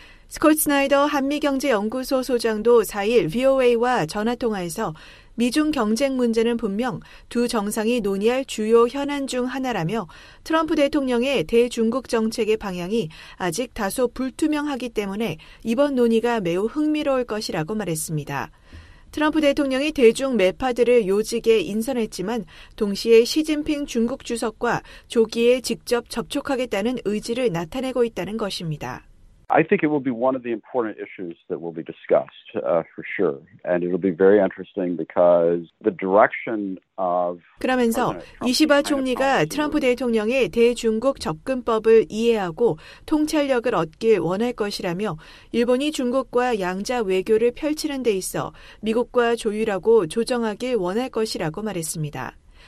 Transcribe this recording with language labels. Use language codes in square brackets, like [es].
[ko] 스콧 스나이더 한미경제연구소 소장도 4일 VOA와 전화통화에서 미중 경쟁 문제는 분명 두 정상이 논의할 주요 현안 중 하나라며 트럼프 대통령의 대중국 정책의 방향이 아직 다소 불투명하기 때문에 이번 논의가 매우 흥미로울 것이라고 말했습니다. 트럼프 대통령이 대중 매파들을 요직에 인선했지만 동시에 시진핑 중국 주석과 조기에 직접 접촉하겠다는 의지를 나타내고 있다는 것입니다. [en] I think it will be one of the important issues that will be discussed for sure. And it'll be very interesting because the direction of [ko] 그러면서 이시바 총리가 트럼프 대통령의 대중국 접근법을 이해하고 통찰력을 얻길 원할 것이라며 일본이 중국과 양자 외교를 펼치는 데 있어 미국과 조율하고 조정하길 원할 것이라고 말했습니다.